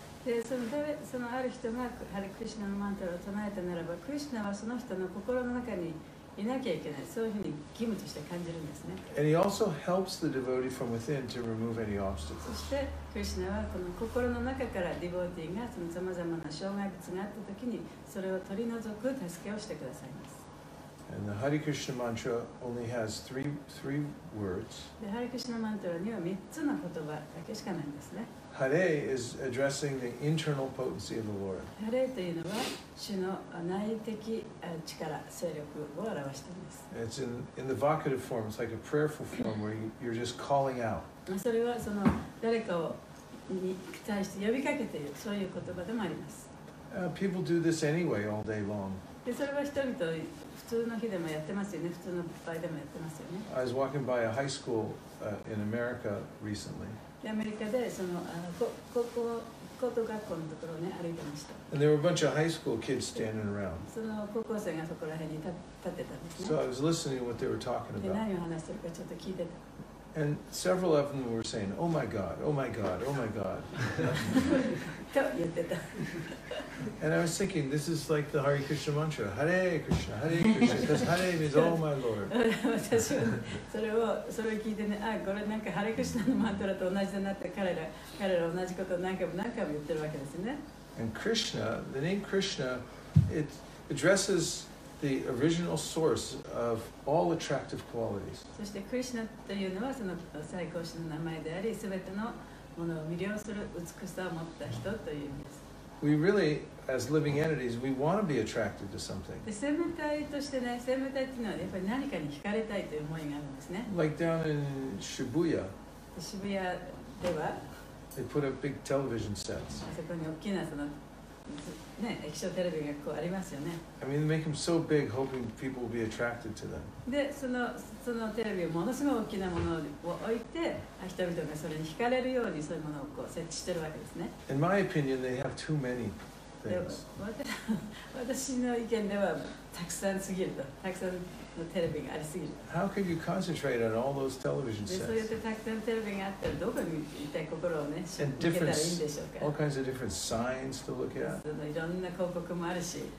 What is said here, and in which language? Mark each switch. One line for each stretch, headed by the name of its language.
Japanese: でそのある人がハリクリシナのマントラを唱えたならば、クリシナはその人の心の中にいなきゃいけない、そういうふうに義務として感じるんですね。
English: And he also helps the devotee from within to remove any obstacles.
Japanese: そして、クリシナはこの心の中からディボーティーがその様々な障害物があったときに、それを取り除く助けをしてくださいます。
English: And the Hare Krishna mantra only has three words.
Japanese: で、ハリクリシナマントラには3つの言葉だけしかないんですね。
English: Hare is addressing the internal potency of the Lord.
Japanese: Hare というのは主の内的力、勢力を表しています。
English: It's in the vocative form. It's like a prayerful form where you're just calling out.
Japanese: それはその誰かに対して呼びかけている、そういう言葉でもあります。
English: People do this anyway all day long.
Japanese: でそれは人々、普通の日でもやってますよね。普通の場合でもやってますよね。
English: I was walking by a high school in America recently.
Japanese: アメリカでその高校のところをね歩いてました。
English: And there were a bunch of high school kids standing around.
Japanese: その高校生がそこら辺に立ってたんですね。
English: So I was listening to what they were talking about.
Japanese: で何を話してるかちょっと聞いてた。
English: And several of them were saying, "Oh my God, oh my God, oh my God."
Japanese: と言ってた。
English: And I was thinking, this is like the Hare Krishna mantra, Hare Krishna, Hare Krishna, because Hare means oh my Lord.
Japanese: 私はそれを聞いてね、あ、これなんかハリクリシナのマントラと同じだなって彼ら同じことを何回も言ってるわけですね。
English: And Krishna, the name Krishna, it addresses the original source of all attractive qualities.
Japanese: そしてクリシナというのはその最高神の名前であり、すべてのものを魅了する美しさを持った人という意味です。
English: We really, as living entities, we want to be attracted to something.
Japanese: 生命体としてね、生命体っていうのはやっぱり何かに惹かれたいという思いがあるんですね。
English: Like down in Shibuya.
Japanese: 渋谷では。
English: They put up big television sets.
Japanese: そこに大きなそのね、液晶テレビがこうありますよね。
English: I mean, they make them so big, hoping people will be attracted to them.
Japanese: で、そのテレビをものすごい大きなものを置いて、人々がそれに惹かれるようにそういうものをこう設置してるわけですね。
English: In my opinion, they have too many things.
Japanese: で、私の意見ではたくさんすぎると、たくさんのテレビがありすぎる。
English: How could you concentrate on all those television sets?
Japanese: で、そうやってたくさんテレビがあったらどこに一体心をね、向けたらいいんでしょうか。
English: All kinds of different signs to look at.
Japanese: いろんな広告もあるし。